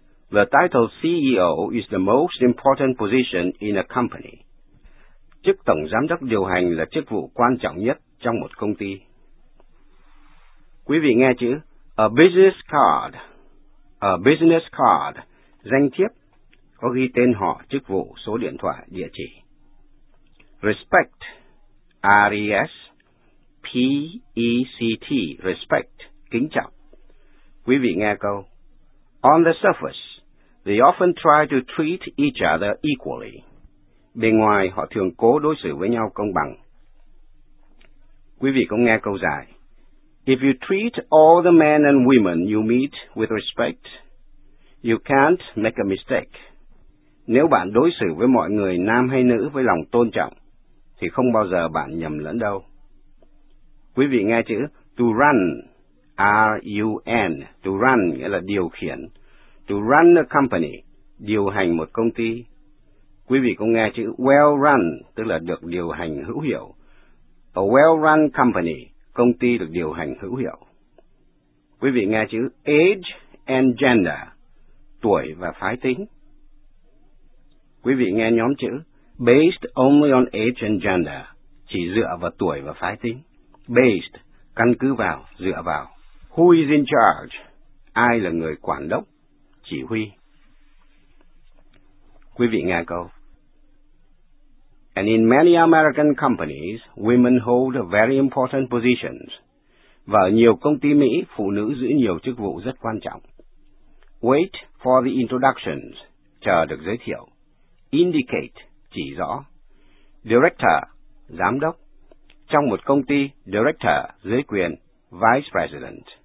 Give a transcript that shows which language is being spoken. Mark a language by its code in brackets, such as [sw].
[en] The title CEO is the most important position in a company. [vi] Chức tổng giám đốc điều hành là chức vụ quan trọng nhất trong một công ty. Quý vị nghe chữ a business card, danh thiếp, có ghi tên họ, chức vụ, số điện thoại, địa chỉ. Respect, R-E-S-P-E-C-T, respect, kính trọng. Quý vị nghe câu. [en] On the surface, they often try to treat each other equally. [vi] Bề ngoài, họ thường cố đối xử với nhau công bằng. Quý vị cũng nghe câu dài. [en] If you treat all the men and women you meet with respect, you can't make a mistake. [vi] Nếu bạn đối xử với mọi người nam hay nữ với lòng tôn trọng, thì không bao giờ bạn nhầm lẫn đâu. Quý vị nghe chữ to run, R-U-N, to run nghĩa là điều khiển. [en] To run a company, [vi] điều hành một công ty. Quý vị cũng nghe chữ well run, tức là được điều hành hữu hiệu. [en] A well run company, [vi] công ty được điều hành hữu hiệu. Quý vị nghe chữ age and gender, tuổi và phái tính. Quý vị nghe nhóm chữ [en] based only on age and gender, [vi] chỉ dựa vào tuổi và phái tính. Based, căn cứ vào, dựa vào. [en] Who is in charge, [vi] ai là người quản đốc, chỉ huy. Quý vị nghe câu. [en] And in many American companies, women hold very important positions. [vi] Và ở nhiều công ty Mỹ, phụ nữ giữ nhiều chức vụ rất quan trọng. [en] Wait for the introductions, [vi] chờ được giới thiệu. Indicate, chỉ rõ. Director, giám đốc. Trong một công ty, director, dưới quyền, vice president.